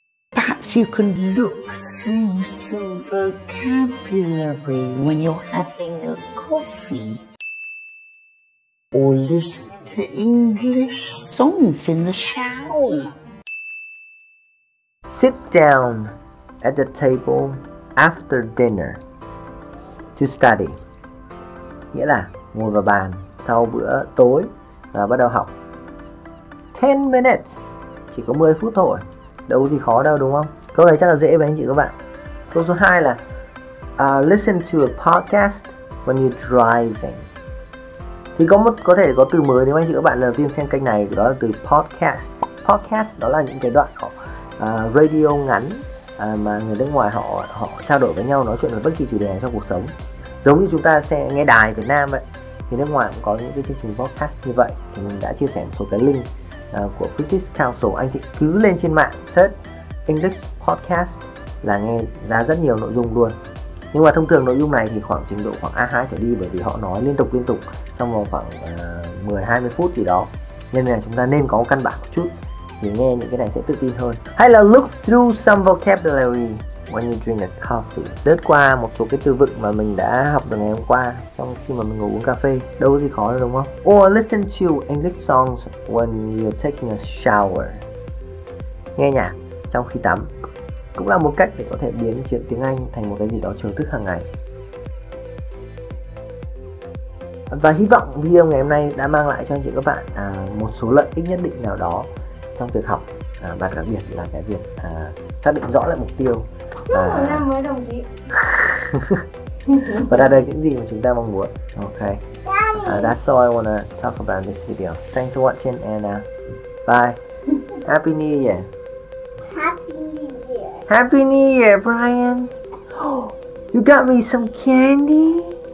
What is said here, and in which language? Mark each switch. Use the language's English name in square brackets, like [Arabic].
[English] Perhaps you can look through some vocabulary when you're having a coffee. Or listen to English songs in the shower. Sit down at the table after dinner to study. [Vietnamese] Nghĩa là ngồi vào bàn sau bữa tối và bắt đầu học. [English] 10 minutes, [Vietnamese] chỉ có 10 phút thôi. Đâu gì khó đâu đúng không? Câu này chắc là dễ với anh chị các bạn. Câu số 2 là [English] listen to a podcast when you're driving. [Vietnamese] Thì có thể có từ mới nếu anh chị các bạn lần đầu tiên xem kênh này, đó là từ podcast. Podcast đó là những cái đoạn khó. Radio ngắn mà người nước ngoài họ trao đổi với nhau, nói chuyện về bất kỳ chủ đề nào trong cuộc sống. Giống như chúng ta sẽ nghe đài Việt Nam vậy, thì nước ngoài cũng có những cái chương trình podcast như vậy. Thì mình đã chia sẻ một số cái link của British Council. Anh chị cứ lên trên mạng search [English] English podcast [Vietnamese] là nghe ra rất nhiều nội dung luôn. Nhưng mà thông thường nội dung này thì khoảng trình độ khoảng A2 trở đi, bởi vì họ nói liên tục trong khoảng 10-20 phút gì đó. Nên là chúng ta nên có một căn bản một chút thì nghe những cái này sẽ tự tin hơn. Hay là [English] look through some vocabulary when you drink a coffee. [Vietnamese] Lướt qua một số cái từ vựng mà mình đã học được ngày hôm qua trong khi mà mình ngồi uống cà phê. Đâu có gì khó đâu đúng không? [English] Or listen to English songs when you're taking a shower. [Vietnamese] Nghe nhạc trong khi tắm cũng là một cách để có thể biến chuyện tiếng Anh thành một cái gì đó trường thức hàng ngày. Và hy vọng video ngày hôm nay đã mang lại cho anh chị các bạn một số lợi ích nhất định nào đó trong việc học, và đặc biệt là cái việc xác định rõ lại mục tiêu và đạt được những gì mà chúng ta mong muốn. [English] Ok, that's all I wanna talk about this video. Thanks for watching and bye. Happy New Year. Happy New Year. Happy New Year, Brian. Oh, you got me some candy.